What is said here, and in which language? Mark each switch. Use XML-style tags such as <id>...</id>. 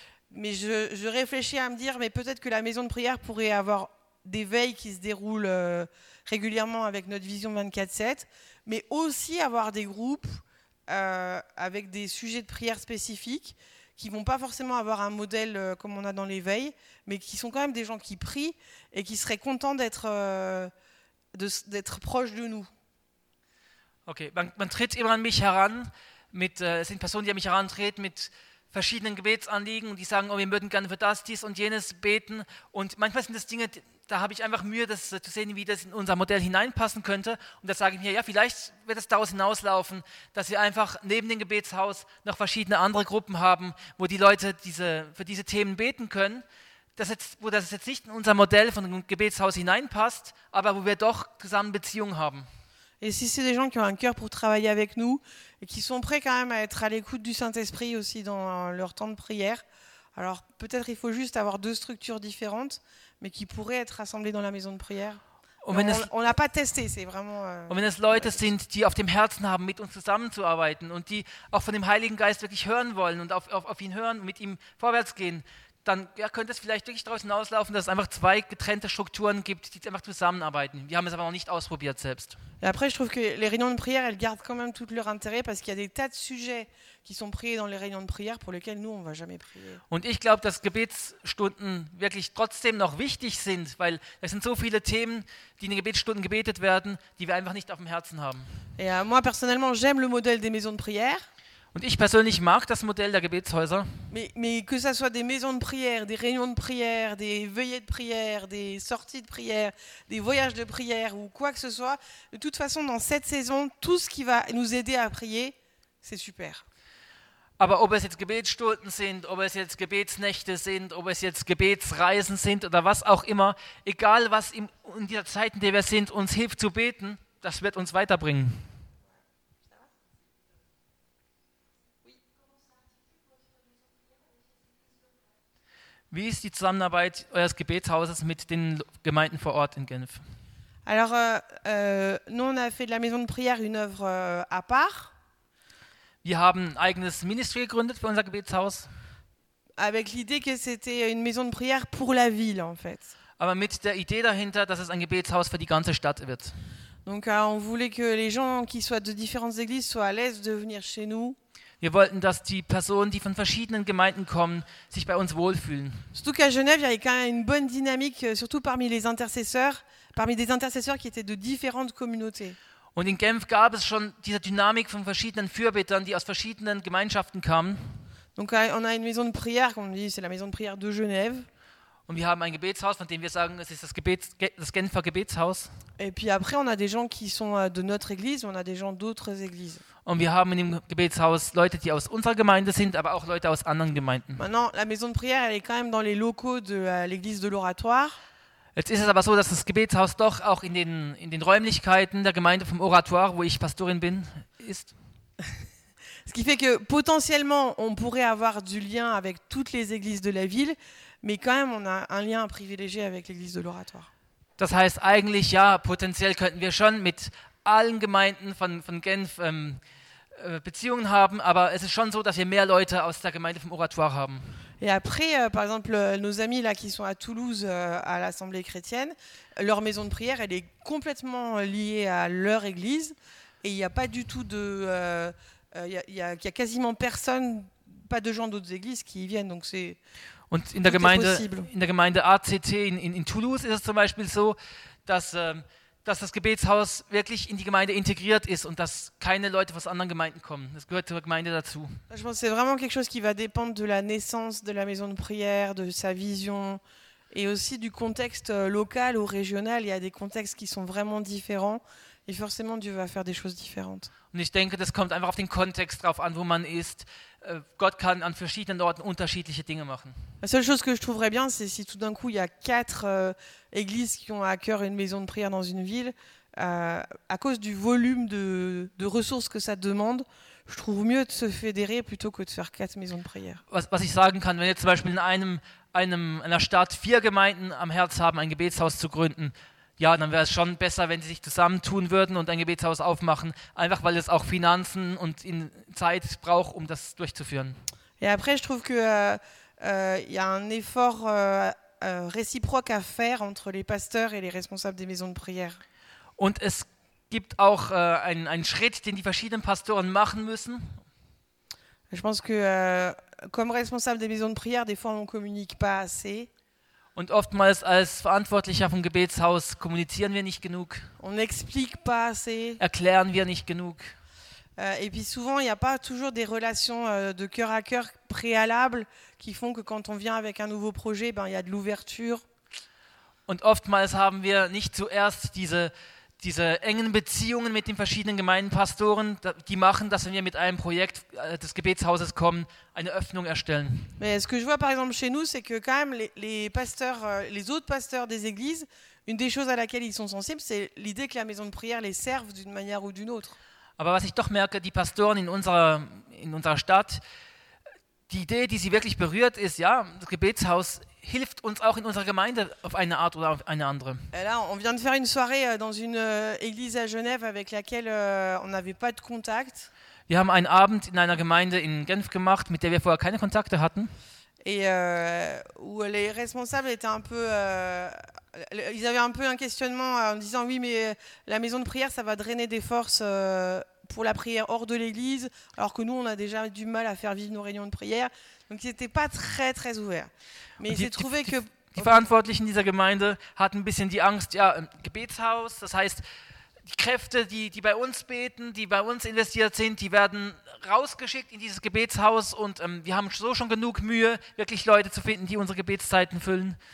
<fr>Mais je réfléchis à me dire, mais peut-être que la maison de prière pourrait avoir des veilles qui se déroulent régulièrement avec notre vision 24/7, mais aussi avoir des groupes avec des sujets de prière spécifiques qui vont pas forcément avoir un modèle comme on a dans l'éveil, mais qui sont quand même des gens qui prient et qui seraient contents d'être proches de nous.</fr> <de>Ok, man tritt immer an mich heran, es sind Personen, die an mich herantreten mit verschiedenen Gebetsanliegen, die sagen, oh, wir würden gerne für das, dies und jenes beten. Und manchmal sind das Dinge, da habe ich einfach Mühe, das zu sehen, wie das in unser Modell hineinpassen könnte. Und da sage ich mir, ja, vielleicht wird es daraus hinauslaufen, dass wir einfach neben dem Gebetshaus noch verschiedene andere Gruppen haben, wo die Leute für diese Themen beten können. Wo das jetzt nicht in unser Modell von dem Gebetshaus hineinpasst, aber wo wir doch zusammen Beziehungen haben.</de> <fr>Et si c'est des gens qui ont un cœur pour travailler avec nous et qui sont prêts quand même à être à l'écoute du Saint-Esprit aussi dans leur temps de prière, alors peut-être il faut juste avoir deux structures différentes, mais qui pourraient être rassemblées dans la maison de prière. On n'a pas testé, c'est vraiment.</fr> <de>Und wenn es Leute sind, die auf dem Herzen haben, mit uns zusammenzuarbeiten und die auch von dem Heiligen Geist wirklich hören wollen und auf ihn hören und mit ihm vorwärts gehen, dann ja, könnte es vielleicht wirklich daraus hinauslaufen, dass es einfach zwei getrennte Strukturen gibt, die einfach zusammenarbeiten. Wir haben es aber noch nicht ausprobiert selbst.</de> <fr>Et après, je trouve que les réunions de prière, elles gardent quand même tout leur intérêt, parce qu'il y a des tas de sujets qui sont priés dans les réunions de prière pour lesquels nous, on ne va jamais prier.</fr> <de>Und ich glaube, dass Gebetsstunden wirklich trotzdem noch wichtig sind, weil es sind so viele Themen, die in den Gebetsstunden gebetet werden, die wir einfach nicht auf dem Herzen haben.</de> <fr>Et moi, personnellement, j'aime le modèle des maisons de prière.</fr> <de>Und ich persönlich mag das Modell der Gebetshäuser.</de> <fr>Mais que ça soit des maisons de prière, des réunions de prière, des veillées de prière, des sorties de prière, des voyages de prière ou quoi que ce soit, de toute façon dans cette saison, tout ce qui va nous aider à prier, c'est super.</fr> <de>Aber ob es jetzt Gebetsstunden sind, ob es jetzt Gebetsnächte sind, ob es jetzt Gebetsreisen sind oder was auch immer, egal was in dieser Zeit, in der wir sind, uns hilft zu beten, das wird uns weiterbringen. Wie ist die Zusammenarbeit eures Gebetshauses mit den Gemeinden vor Ort in Genf?</de> <fr>Alors, nous on a fait de la maison de prière une œuvre à part.</fr> <de>Wir haben ein eigenes Ministry gegründet für unser Gebetshaus.</de> <fr>Avec l'idée que c'était une maison de prière pour la ville, en fait.</fr> <de>Aber mit der Idee dahinter, dass es ein Gebetshaus für die ganze Stadt wird.</de> <fr>Donc, on voulait que les gens qui soient de différentes églises soient à l'aise de venir chez nous.</fr> <de>Wir wollten, dass die Personen, die von verschiedenen Gemeinden kommen, sich bei uns wohlfühlen.</de> <fr>Surtout qu'à Genève, il y avait quand même une bonne dynamique, surtout parmi les intercesseurs, parmi des intercesseurs qui étaient de différentes communautés.</fr> <de>Und in Genf gab es schon diese Dynamik von verschiedenen Fürbittern, die aus verschiedenen Gemeinschaften kamen.</de> <fr>Donc, on a une maison de prière, comme on dit, c'est la maison de prière de Genève.</fr> <de>Und wir haben ein Gebetshaus, von dem wir sagen, es ist das Genfer Gebetshaus.</de> <fr>Et puis après, on a des gens qui sont de notre église, on a des gens d'autres églises.</fr> <de>Und wir haben in dem Gebetshaus Leute, die aus unserer Gemeinde sind, aber auch Leute aus anderen Gemeinden.</de> <fr>Maintenant, la maison de prière, elle est quand même dans les locaux de l'église de l'Oratoire.</fr> <de>Jetzt ist es aber so, dass das Gebetshaus doch auch in den Räumlichkeiten der Gemeinde vom Oratoire, wo ich Pastorin bin, ist.</de> <fr>Ce qui fait que potentiellement, on pourrait avoir du lien avec toutes les églises de la ville, mais quand même, on a un lien privilégié avec l'église de l'Oratoire.</fr> <de>Das heißt eigentlich, ja, potenziell könnten wir schon mit allen Gemeinden von Genf Beziehungen haben, aber es ist schon so, dass wir mehr Leute aus der Gemeinde vom Oratoire haben.</de> <fr>Et après, par exemple, nos amis là qui sont à Toulouse, à l'Assemblée chrétienne, leur maison de prière, elle est complètement liée à leur église, et il n'y a pas du tout de... Il y a quasiment personne, pas de gens d'autres églises qui y viennent, donc c'est</fr> <de>und in der Gemeinde, possible. In der Gemeinde ACT in Toulouse ist es zum Beispiel so, dass das Gebetshaus wirklich in die Gemeinde integriert ist und dass keine Leute aus anderen Gemeinden kommen. Das gehört zur Gemeinde dazu.</de> <fr>Je pense que c'est vraiment quelque chose qui va dépendre de la naissance de la maison de prière, de sa vision et aussi du contexte local ou régional. Il y a des contextes qui sont vraiment différents et forcément Dieu va faire des choses différentes.</fr> <de>Und ich denke, das kommt einfach auf den Kontext drauf an, wo man ist. Gott kann an verschiedenen Orten unterschiedliche Dinge machen.</de> <fr>La seule chose que je trouverais bien, c'est si tout d'un coup il y a quatre églises qui ont à cœur une maison de prière dans une ville, à cause du volume de ressources que ça demande, je trouve mieux de se fédérer plutôt que de faire quatre maisons de prière.</fr> <de>Was ich sagen kann, wenn jetzt zum Beispiel in einer Stadt vier Gemeinden am Herz haben, ein Gebetshaus zu gründen, ja, dann wäre es schon besser, wenn sie sich zusammentun würden und ein Gebetshaus aufmachen, einfach weil es auch Finanzen und Zeit braucht, um das durchzuführen.</de> <fr>Et après, je trouve que il y a un effort réciproque à faire entre les pasteurs et les responsables des maisons de prière.</fr> <de>Und es gibt auch einen Schritt, den die verschiedenen Pastoren machen müssen.</de> <fr>Je pense que comme responsable des maisons de prière, des fois on communique pas assez.</fr> <de>Und oftmals als Verantwortlicher vom Gebetshaus kommunizieren wir nicht genug.</de> <fr>On explique pas assez.</fr> <de>Erklären wir nicht genug.</de> <fr>Et puis souvent, il n'y a pas toujours des relations de cœur à cœur préalables qui font que quand on vient avec un nouveau projet, ben il y a de l'ouverture.</fr> <de>Und oftmals haben wir nicht zuerst diese engen Beziehungen mit den verschiedenen Gemeindepastoren, die machen, dass wenn wir mit einem Projekt des Gebetshauses kommen, eine Öffnung erstellen.</de> <fr>Mais ce que je vois par exemple chez nous, c'est que quand même les autres pasteurs des églises, une des choses à laquelle ils sont sensibles, c'est l'idée que la maison de prière les serve d'une manière ou d'une autre.</fr> <de>Aber was ich doch merke, die Pastoren in unserer Stadt, die Idee, die sie wirklich berührt, ist, ja, das Gebetshaus hilft uns auch in unserer Gemeinde auf eine Art oder auf eine andere.</de> <fr>Et là, on vient de faire une soirée dans une église à Genève avec laquelle on n'avait pas de contact.</fr> <de>Wir haben einen Abend in einer Gemeinde in Genf gemacht, mit der wir vorher keine Kontakte hatten.</de> <fr>Et où les responsables étaient un peu ils avaient un peu un questionnement en disant oui, mais la maison de prière, ça va drainer des forces pour la prière hors de l'église, alors que nous, on a déjà du mal à faire vivre nos réunions de prière. Donc, ils n'étaient pas très, très ouverts. Mais ils ont trouvé que...</fr> <de>Die Verantwortlichen dieser Gemeinde hatten ein bisschen die Angst, ja, Gebetshaus, das heißt, die Kräfte, die bei uns beten, die bei uns investiert sind, die werden rausgeschickt in dieses Gebetshaus und wir haben so schon genug Mühe, wirklich Leute zu finden, die unsere Gebetszeiten füllen.</de>